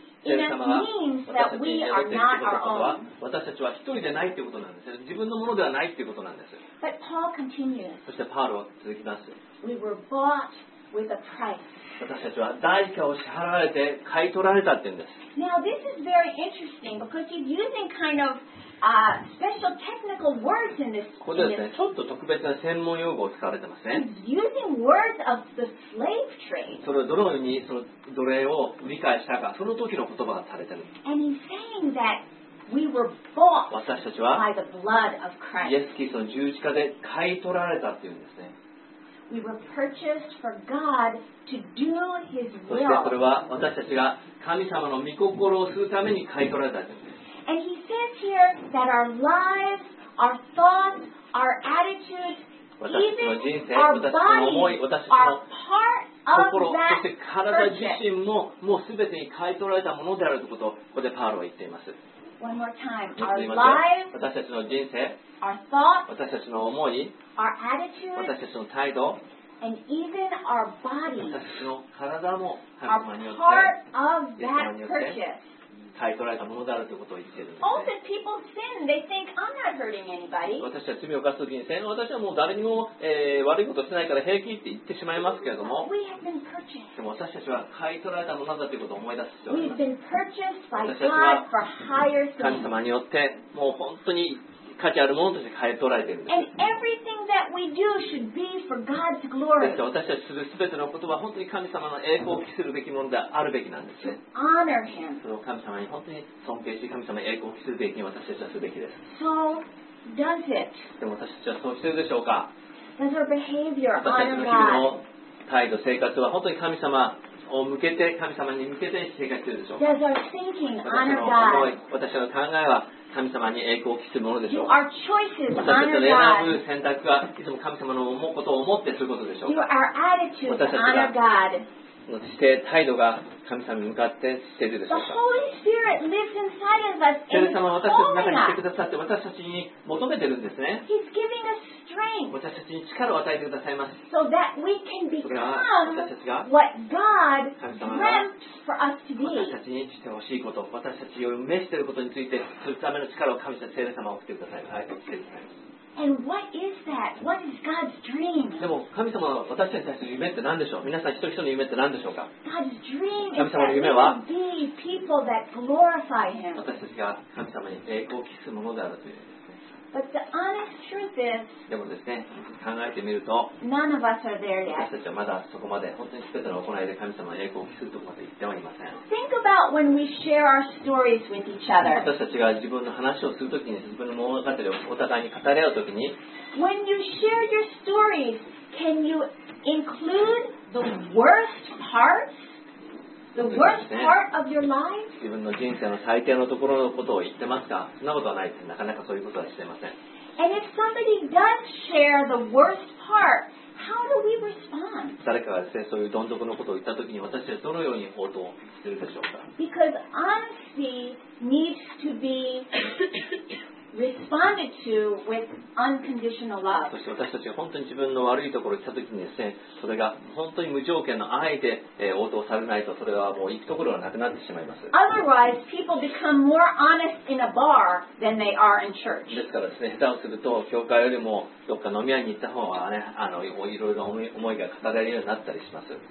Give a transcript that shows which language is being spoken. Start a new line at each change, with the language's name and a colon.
English: means that we are not our own.
Japanese: 私たちは一人でないということなんです。自分のものではないということなんです。
English: But Paul continues.
Japanese: そしてパウロは続きます。
English: We were bought with a price.
Japanese: 私たちは代価を支払われて買い取られたって言うんです。
English: Now this is very interesting because he's using kind of special technical words in this.
Japanese: ここでですね、ちょっと特別な専門用語を使われてますね。
English: He's using words of the slave trade.
Japanese: それをどのようにその奴隷を売り買いしたか、その時の言葉がされてる。
English: And he's saying that we were bought by the blood of Christ.
Japanese: イエス・キリストの十字架で買い取られたっていうんですね。
English: We were purchased for God to do His will.
Japanese: そしてこれは私たちが神様の御心をするために買い取られたんです。
English: And he says here that our lives, our thoughts, our attitudes, even our bodies are part of that purchase.
Japanese: 体自身ももうすべてに買い取られたものであるということをここでパウロは言っています。
English: One more time. Our lives,
Japanese: 私たちの人生、
English: our thoughts,
Japanese: 私たちの思い、
English: our attitudes,
Japanese: 私たちの態度、
English: and even our bodies,
Japanese: 私たちの体も
English: are part of that purchase.
Japanese: 買い取られたものであるということを言っているんです、ね。
English: Also, people sin. They think, I'm not hurting anybody.
Japanese: 私は罪を犯すときに、私はもう誰にも、悪いことしてないから平気って言ってしまいますけれども。
English: We have been purchased.
Japanese: でも私たちは買い取られたものだということを思い出す必要があります。
English: We've been purchased by God for higher things.
Japanese: 神様によって、もう本当に価値あるものとして買い取られているんです。
English: And everything that we do should be for God's glory.
Japanese: 私たちするすべてのことは本当に神様の栄光を期するべきものであるべきなんです。
English: Honor Him.
Japanese: その神様に本当に尊敬し、神様の栄光を期するべきに私たちはするべきです。
English: So does it?
Japanese: でも私たちはそうしているでしょうか?
English: Does our behavior honor God?
Japanese: 私たちの日々の態度、生活は本当に神様を向けて、神様に向けて生活しているでしょうか?
English: Does our thinking honor God?
Japanese: 私の考えは神様に栄光を期するものでしょう。
English: You are choices,
Japanese: 私たちの選ぶ選択はいつも神様の思うことを思ってすることでしょう。
English: You are attitude,
Japanese: 私たちが姿勢、態度が神様に向かってしているでしょうか。
English: The Holy Spirit lives inside of us.
Japanese: 神様は私たちの中に来てくださって私たちに求めてるんですね。
English: He's giving us strength.
Japanese: 私たちに力を与えてくださいます。
English: So that we can become what God dreamt for us to be.
Japanese: 私たちにしてほしいこと、私たちを召していることについてするための力を神様、聖霊様を送ってください。はい、来てください。
English: And what is that? What is God's dream?
Japanese: でも神様の私たちの夢って何でしょう。皆さん一人一人の夢って何でしょうか。
English: God's dream is that we be people that glorify Him.
Japanese: 私たちが神様に栄光を期すものであるという。
English: But the honest truth is,
Japanese: でもですね、考えてみると、
English: none of us are there yet.
Japanese: 私たちはまだそこまで本当にすべての行いで神様の栄光を期するところまで行ってはいません。
English: Think about when we share our stories with each other.
Japanese: 私たちが自分の話をするときに、自分の物語をお互いに語り合うときに、
English: when you share your stories, can you include the worst parts? The worst part of your life?
Japanese: 自分の人生の最低のところのことを言ってますか？そんなことはないです。なかなかそういうことはしていません。
English: And if somebody does share the worst part, how do we respond?
Japanese: 誰かがですね、そういうどん底のことを言ったときに私たちはどのように応答するでしょうか？
English: Because honesty needs to be responded to with unconditional love.
Japanese: そして私たちが本当に自分の悪いところに来た時にですね、それが本当に無条件の愛で応答されないと、それはもう行くところがなくなってしまいます。
English: Otherwise, people become more honest in a bar than they are in church.
Japanese: ですからですね、下手をすると教会よりもどっか飲み屋に行った方がね、いろいろな思いが語られるようになったりします。